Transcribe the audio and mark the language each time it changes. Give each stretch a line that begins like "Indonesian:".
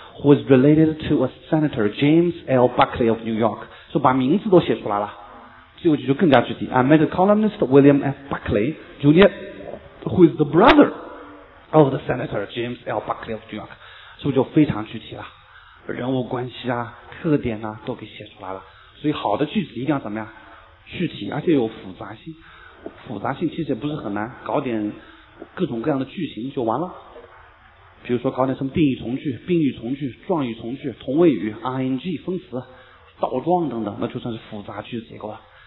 English: who is related to a senator James L. Buckley of New York.
Chinese: 就把名字都写出来了，最后就更加具体。
English: I met a columnist William F. Buckley Jr. who is the brother of the senator James L. Buckley of New York.
Chinese: 是不是就非常具体了？人物关系啊，特点啊，都给写出来了。所以好的句子一定要怎么样？具体，而且有复杂性。复杂性其实也不是很难，搞点各种各样的句型就完了。比如说搞点什么定语从句、宾语从句、状语从句、同位语、 ing 分词、倒状等等，那就算是复杂句子结构了。